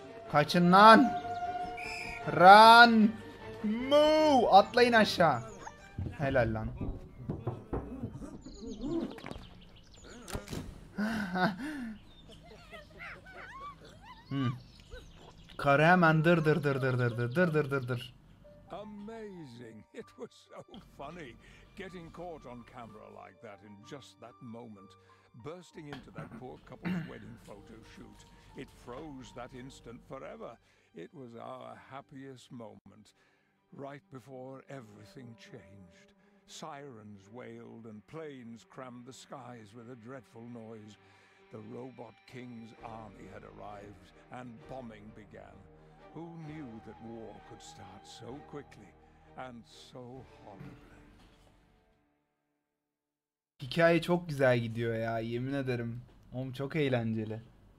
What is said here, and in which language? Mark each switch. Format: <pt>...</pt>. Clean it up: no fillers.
<tr>Kaçın lan!</tr> <en>Run! Move!</en> <tr>Atlayın aşağı. Helal lan. Karı hemen dır dır dır dır dır dır dır dır dır dır.</tr> <en>Amazing. It was so funny getting caught on camera like that in just that moment. Bursting into that poor couple's wedding photo shoot. It froze that instant forever. It was our happiest moment, right before everything changed. Sirens wailed and planes crammed the skies with a dreadful noise. The Robot King's army had arrived and bombing began. Who knew that war could start so quickly and so horribly?</en> <tr>Hikaye çok güzel gidiyor ya, yemin ederim. Oğlum çok eğlenceli.</tr>